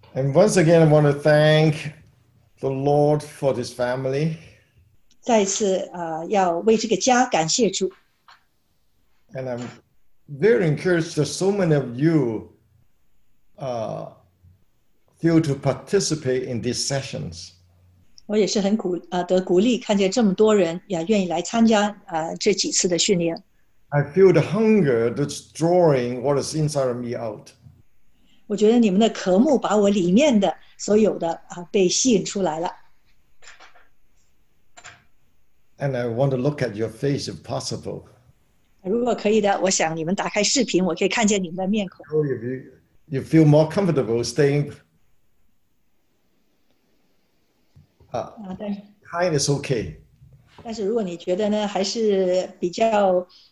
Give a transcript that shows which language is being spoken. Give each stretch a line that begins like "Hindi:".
English: And once again, I want to thank the Lord for this family.
Chinese: 再一次要为这个家感谢主。
English: And I'm very encouraged that so many of you feel to participate in these sessions.
Chinese: 我也是很鼓得鼓励，看见这么多人也愿意来参加这几次的训练。
English: I feel the hunger that's drawing what is inside of me out.
Chinese: 我觉得你们的渴慕把我里面的所有的被吸引出来了。
English: And I want to look at your face if possible.
Chinese: 如果可以的，我想你们打开视频，我可以看见你们的面孔。
English: You feel more comfortable staying. Kind is okay.
Chinese: 但是如果你觉得呢，还是比较。